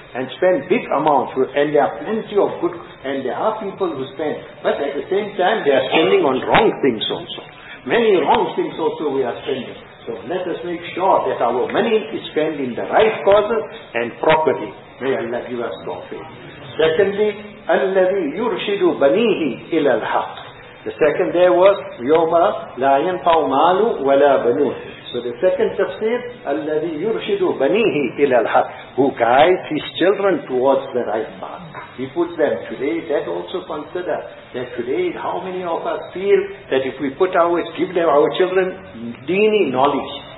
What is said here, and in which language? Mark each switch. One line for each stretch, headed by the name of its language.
English: And spend big amounts. And there are plenty of good, and there are people who spend. But at the same time, they are spending on wrong things also. Many wrong things also we are spending. So let us make sure that our money is spent in the right causes and properly. May Allah give us tawfiq. Secondly,
Arabic: الَّذِي يُرْشِدُ بَنِيهِ إِلَى الْحَقِّ.
English: The second there was
Arabic: يَوْمَ لَا يَنْفَعُ مَالُ وَلَا بَنُونَ.
English: So the second tafsir,
Arabic: الَّذِي يُرْشِدُ بَنِيهِ إِلَى الْحَقِّ,
English: who guides his children towards the right path. He puts them today, that also consider that today how many of us feel that if we put our, give them our children deeni knowledge.